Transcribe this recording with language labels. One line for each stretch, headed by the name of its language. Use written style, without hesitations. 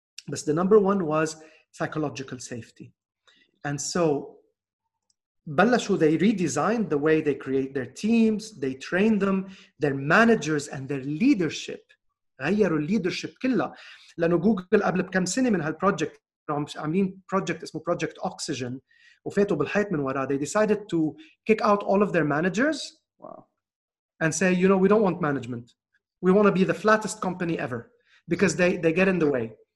English: But the number one was psychological safety. And so بلشوا, they redesigned the way they create their teams, they train them, their managers and their leadership.
Arabic: غيروا leadership كلها. لأنه جوجل قبل بكم سنة من هالبروجكت عاملين project اسمه Project Oxygen وفاتوا بالحيط من وراء.
English: They decided to kick out all of their managers and say, you know, we don't want management. We want to be the flattest company ever because they get in the way.